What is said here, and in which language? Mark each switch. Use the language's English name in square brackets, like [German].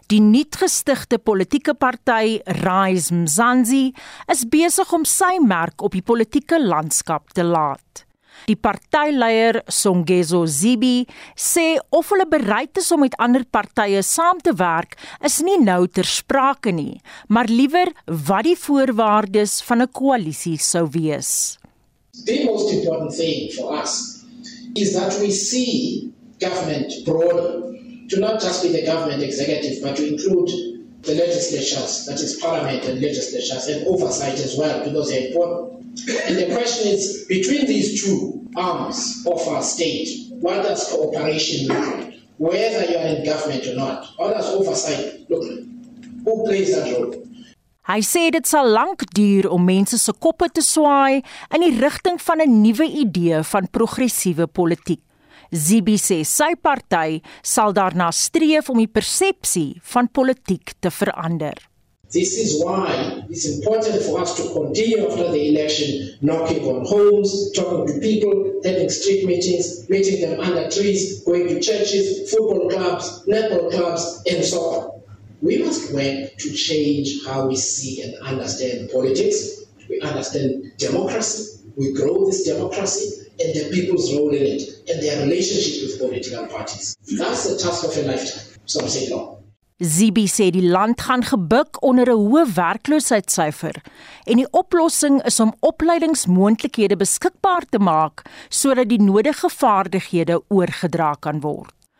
[Afrikaans] Die nuutgestigte politieke party Rise Mzansi is besig om sy merk op die politieke landskap te laat. Die partyleier Songezo Zibi sê of hulle bereid is om met ander partye saam te werk is nie nou ter sprake nie, maar liewer wat die voorwaardes van 'n koalisie sou wees. [English] The most important thing for us is that we see government broader, to not just be the government executive, but to include the legislatures, that is parliament and legislatures, and oversight as well, because they're important. And the question is, between these two arms of our state, what does cooperation look like? Whether you're in government or not, what does oversight look like? Who plays that role? [Afrikaans] Hy sê dit sal lank duur om mense se koppe te swaai in die rigting van 'n nuwe idee van progressiewe politiek. Zibi sê sy party sal daarna streef om die persepsie van politiek te verander. [English] This is why it's important for us to continue after the election knocking on homes, talking to people, having street meetings, meeting them under trees, going to churches, football clubs, netball clubs and so on. We must work to change how we see and understand politics. We understand democracy. We grow this democracy and the people's role in it and their relationship with political parties. That's the task of a lifetime. Some say no. [Afrikaans] Zibi sê die land gaan gebuk onder 'n hoë werkloosheidssyfer en die oplossing is om opleidingsmoontlikhede beskikbaar te maak sodat die nodige vaardighede oorgedra kan word.